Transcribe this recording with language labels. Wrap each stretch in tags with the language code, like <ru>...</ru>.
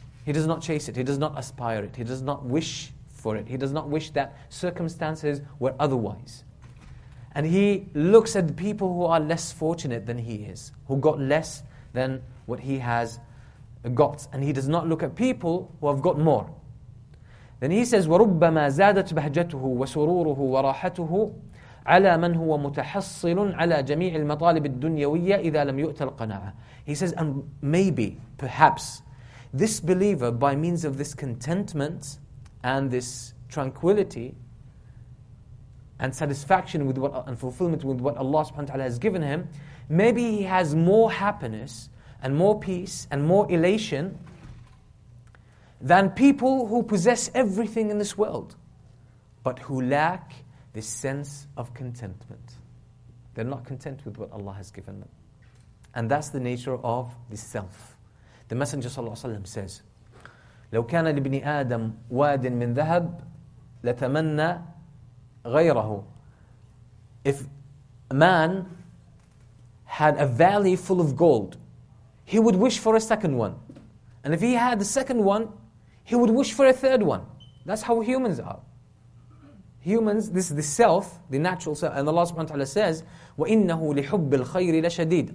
<en>He does not chase it. He does not aspire it. He does not wish for it. He does not wish that circumstances were otherwise. And he looks at the people who are less fortunate than he is, who got less than what he has got, and he does not look at people who have got more. Then he says,</en> <ar>وَرُبَّمَا زَادَتْ بَهْجَتُهُ وَسُرُورُهُ وَرَاحَتُهُ عَلَى مَنْ هُوَ مُتَحَصِّلٌ عَلَى جَمِيعِ الْمَطَالِبِ الدُّنْيَوِيَّ إِذَا لَمْ يُؤْتَ الْقَنَاعَةِ.</ar> <en>He says, and maybe, perhaps, this believer, by means of this contentment and this tranquility and satisfaction with what, and fulfillment with what Allah subhanahu wa ta'ala has given him, maybe he has more happiness and more peace and more elation than people who possess everything in this world, but who lack this sense of contentment. They're not content with what Allah has given them. And that's the nature of the self. The Messenger sallallahu alaihi wasallam says,</en> <ar>لو كان لابن آدم واد من ذهب لتمنى غيره.</ar> <en>If a man had a valley full of gold, he would wish for a second one. And if he had a second one, he would wish for a third one. That's how humans are. Humans, this is the self, the natural self. And Allah subhanahu wa ta'ala says,</en> <ar>وَإِنَّهُ لِحُبِّ الْخَيْرِ لَشَدِيدٍ.</ar>